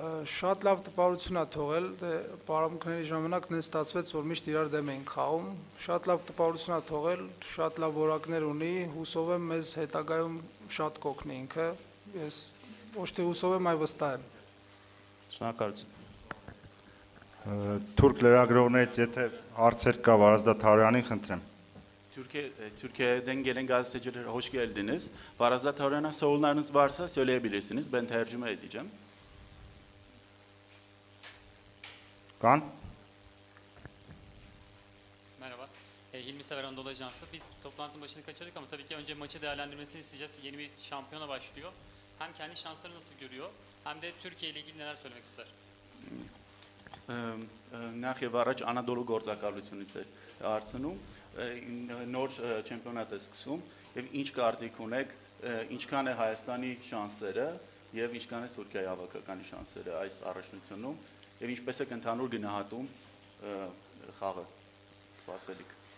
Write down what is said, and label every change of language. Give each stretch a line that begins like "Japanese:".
Armenian: Շատ լավ տպավորություն է թողել, դե պարապունքների ժամանակ նա ստացվեց, որ միշտ իրար դեմ էին խաղում, շատ լավ տպավորություն է թողել, շատ լավ որակներ ունի, հուսով եմ մեզ հետագայում շատ կօգնի ինքը, ես ոչ թե հուսով եմ, այլ վստահ եմ։ Շնորհակալություն։ Թուրք լրագրողներից եթե հարցեր կա, Վարազդատ Հարյանին խնդրեմ։
Turkish: Türkiye'den gelen gazeteciler hoş geldiniz. Varazat Arana sorularınız varsa söyleyebilirsiniz. Ben tercüme edeceğim. Kan. Merhaba. Hilmi Sever Anadolu Ajansı. Biz toplantının başını kaçırdık ama tabii ki önce maçı değerlendirmesini isteyeceğiz. Yeni bir şampiyona başlıyor. Hem kendi şansları nasıl görüyor hem de Türkiye ile ilgili neler söylemek ister?
Armenian: Նախև առաջ Անադոլու գործակալությունից է հարցնում, նոր չեմպիոնատ է սկսում եւ ինչ կարծիք ունեք, ինչքան է Հայաստանի շանսերը եւ ինչքան է Թուրքիայի հավաքականի շանսերը այս առաջնությունում եւ ինչպես եք ընդհանուր գնահատում խաղը սպասվելիք?